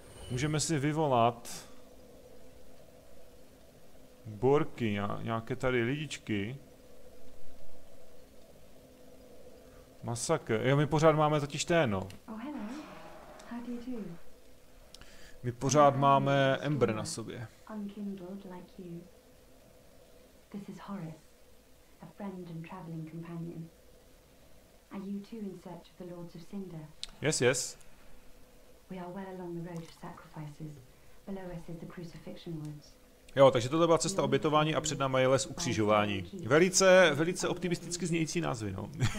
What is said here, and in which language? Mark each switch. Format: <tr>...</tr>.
<cs>Můžeme si vyvolat borky, nějaké tady lidičky. Masakr. Jo, my pořád máme totiž téno.</cs> <en>Oh, hello. How do you do?</en> <cs>My pořád máme Ember na sobě.</cs> <en>Unkindled like you. This is Horace, a friend and traveling companion. Are you too in search of the Lords of Cinder? Yes. We are well along the road of sacrifices. Below us is the crucifixion woods.</en> <cs>Jo, takže tohle byla cesta obětování a před námi je les ukřižování. Velice, velice optimisticky znějící názvy, no.</cs>